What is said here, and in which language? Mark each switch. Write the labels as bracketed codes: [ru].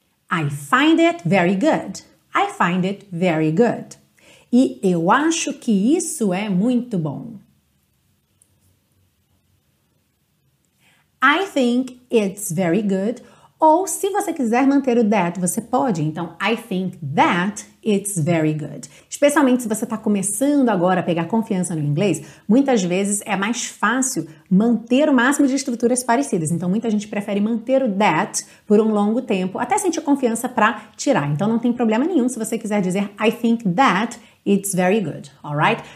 [en] I find it very good. I find it very good. [pt] E eu acho que isso é muito bom. I think it's very good. Ou se você quiser manter o that, você pode. [en] Então, I think that it's very good. [pt] Especialmente se você está começando agora a pegar confiança no inglês, muitas vezes é mais fácil manter o máximo de estruturas parecidas. Então, muita gente prefere manter o that por um longo tempo, até sentir confiança para tirar. Então, não tem problema nenhum se você quiser dizer I think that it's very good, alright?